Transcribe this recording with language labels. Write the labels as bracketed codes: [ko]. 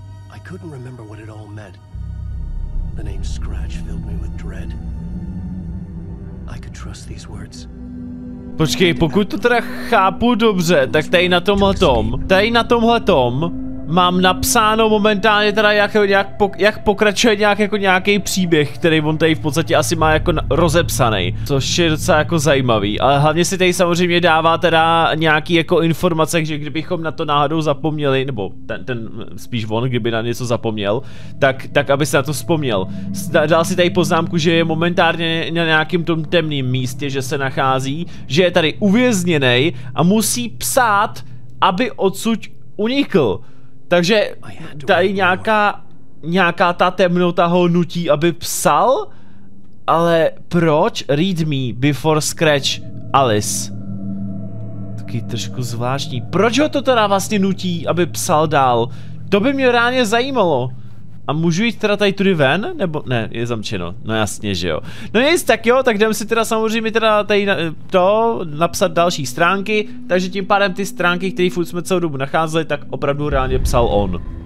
[en] I couldn't remember what it all meant. The name Scratch filled me with dread. I could trust these words. [cs] Počkej, pokud to teda chápu dobře, tak tady na tomhle tom, mám napsáno momentálně teda jak pokračuje nějak jako nějaký příběh, který on tady v podstatě asi má jako rozepsaný, což je docela jako zajímavý, ale hlavně si tady samozřejmě dává teda nějaký jako informace, že kdybychom na to náhodou zapomněli, nebo ten spíš on, kdyby na něco zapomněl, tak aby se na to vzpomněl. Dal si tady poznámku, že je momentárně na nějakým tom temným místě, že se nachází, že je tady uvězněný a musí psát, aby odsud unikl. Takže tady nějaká ta temnota ho nutí, aby psal? Ale proč? [en] Read me before scratch, Alice. [cs] Taky trošku zvláštní. Proč ho to teda vlastně nutí, aby psal dál? To by mě reálně zajímalo. A můžu jít teda tady tudy ven? Nebo ne, je zamčeno. No jasně, že jo. No nic, tak jo, tak jdem si teda samozřejmě teda tady to napsat další stránky. Takže tím pádem ty stránky, které furt jsme celou dobu nacházeli, tak opravdu reálně psal on.